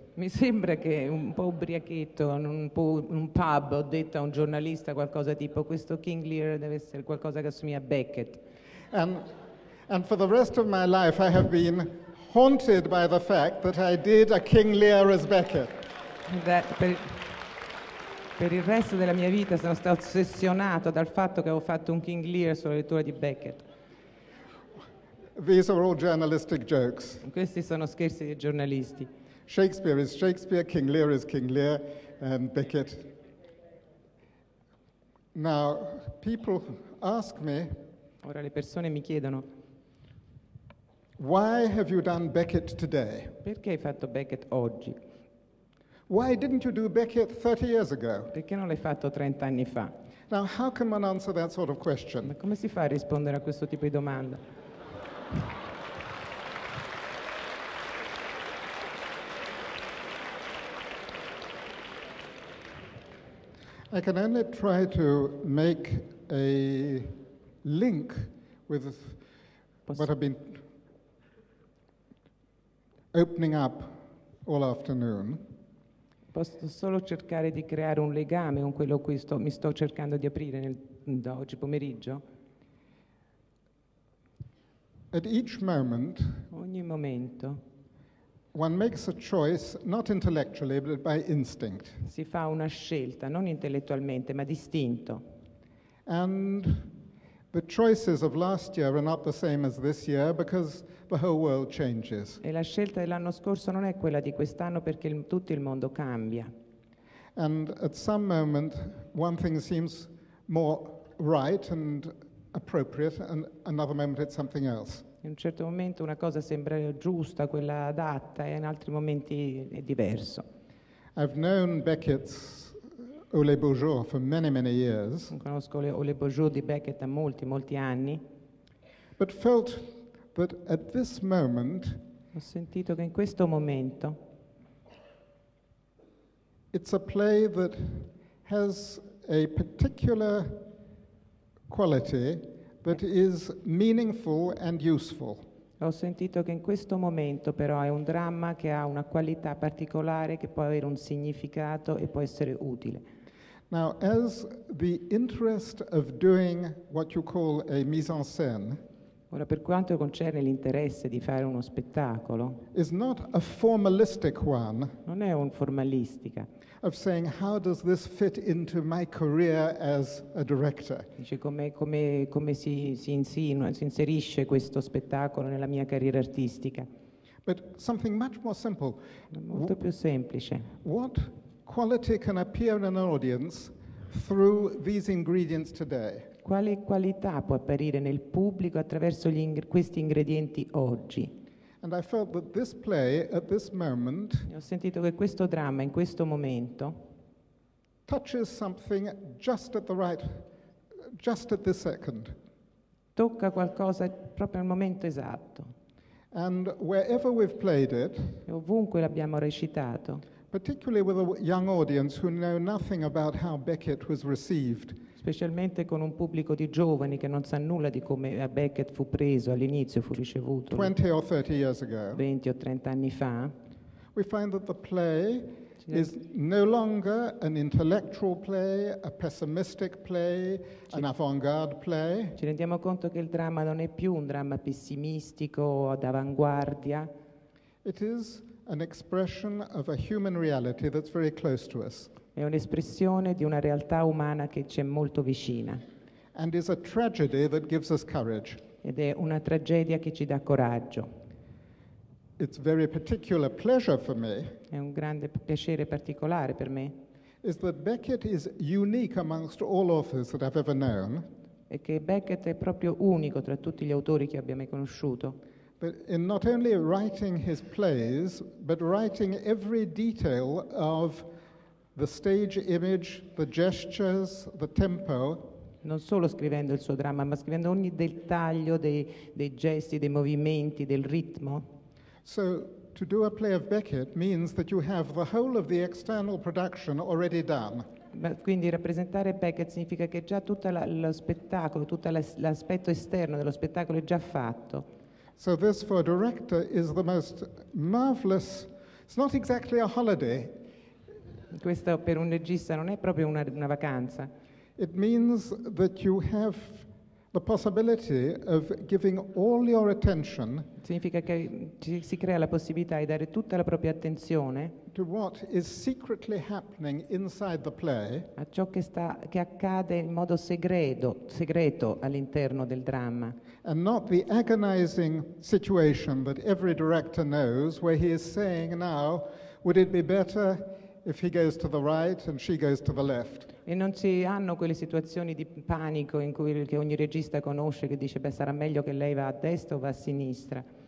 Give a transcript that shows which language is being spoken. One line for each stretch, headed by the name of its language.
Italian: Mi sembra che un po' ubriachetto in un pub ho detto a un giornalista qualcosa tipo questo King Lear deve essere qualcosa che assomiglia a Beckett.
English: And for the rest of my life I have been haunted by the fact that I did a King Lear as Beckett.
Italian: That per il resto della mia vita sono stato ossessionato dal fatto che avevo fatto un King Lear sulla lettura di Beckett.
English: These are all journalistic jokes.
Italian: Questi sono scherzi dei giornalisti.
English: Shakespeare is Shakespeare, King Lear is King Lear, and Beckett. Now, people ask me.
Italian: Ora le persone mi chiedono.
English: Why have you done Beckett today?
Italian: Perché hai fatto Beckett oggi?
English: Why didn't you do Beckett 30 years ago?
Italian: Perché non l'hai fatto 30 anni fa?
English: Now, how can one answer that sort of question?
Italian: Ma come si fa a rispondere a questo tipo di domanda?
English: I can only try to make a link with what I've been opening up all afternoon.
Italian: Posso solo cercare di creare un legame con quello cui mi sto cercando di aprire da oggi pomeriggio.
English: At each moment,
Italian: ogni momento,
English: one makes a choice not intellectually but by instinct.
Italian: Si fa una scelta non intellettualmente ma d'istinto.
English: And the choices of last year are not the same as this year because the whole world changes.
Italian: E la scelta dell'anno scorso non è quella di quest'anno perché tutto il mondo cambia.
English: And at some moment one thing seems more right and appropriate and another moment it's something else.
Italian: In un certo momento una cosa sembra giusta, quella adatta, e in altri momenti è diverso.
English: I've known Beckett's Ole Beaujour for many, many years.
Italian: Conosco Ole Beaujour di Beckett da molti, molti anni.
English: But felt that at this moment,
Italian: ho sentito che in questo momento,
English: it's a play that has a particular quality that is meaningful and useful.
Italian: Ho sentito che in questo momento però è un dramma che ha una qualità particolare che può avere un significato e può essere utile.
English: Now, as the interest of doing what you call a mise-en-scène,
Italian: ora per quanto concerne l'interesse di fare uno spettacolo,
English: is not a formalistic one.
Italian: Non è un formalistica.
English: Of saying how does this fit into my career as a director?
Italian: Dice come si inserisce questo spettacolo nella mia carriera artistica.
English: But something much more simple.
Italian: Molto più semplice.
English: What quality can appear in an audience through these ingredients today?
Italian: Quale qualità può apparire nel pubblico attraverso questi ingredienti oggi?
English: And I felt that this play at this moment.
Italian: Ho sentito che questo dramma in questo momento
English: touches something just at the right, just at this second.
Italian: Tocca qualcosa proprio al momento esatto.
English: And wherever we've played it,
Italian: ovunque l'abbiamo recitato,
English: particularly with a young audience who know nothing about how Beckett was received,
Italian: specialmente con un pubblico di giovani che non sa nulla di come Beckett fu preso all'inizio, fu ricevuto
English: 20 or 30 years ago,
Italian: 20 o 30 anni fa,
English: we find that the play is no longer an intellectual play, a pessimistic play, an avant-garde play.
Italian: Ci rendiamo conto che il dramma non è più un dramma pessimistico o d'avanguardia.
English: It is an expression of a human reality that's very close to us.
Italian: È un'espressione di una realtà umana che ci è molto vicina.
English: And is a tragedy that gives us courage.
Italian: Ed è una tragedia che ci dà coraggio.
English: It's very particular pleasure for me.
Italian: È un grande piacere particolare per me.
English: Is that Beckett is unique amongst all authors that I've ever known.
Italian: E che Beckett è proprio unico tra tutti gli autori che abbia mai conosciuto.
English: But in not only writing his plays, but writing every detail of the stage image, the gestures, the tempo.
Italian: Non solo scrivendo il suo dramma, ma scrivendo ogni dettaglio dei gesti, dei movimenti, del ritmo.
English: So to do a play of Beckett means that you have the whole of the external production already done.
Italian: Ma quindi rappresentare Beckett significa che già tutto lo spettacolo, tutto l'aspetto esterno dello spettacolo è già fatto.
English: So this for a director is the most marvelous. It's not exactly a holiday.
Italian: Questo per un regista non è proprio una vacanza.
English: It means that you have the possibility of giving all your attention.
Italian: Significa che si crea la possibilità di dare tutta la propria attenzione
English: to what is secretly happening inside the play.
Italian: A ciò che accade in modo segreto all'interno del dramma.
English: And not the agonizing situation that every director knows, where he is saying now, would it be better if he goes to the right and she goes to the left.
Italian: E non si hanno quelle situazioni di panico in cui che ogni regista conosce, che dice beh, sarà meglio che lei va a destra o va a sinistra.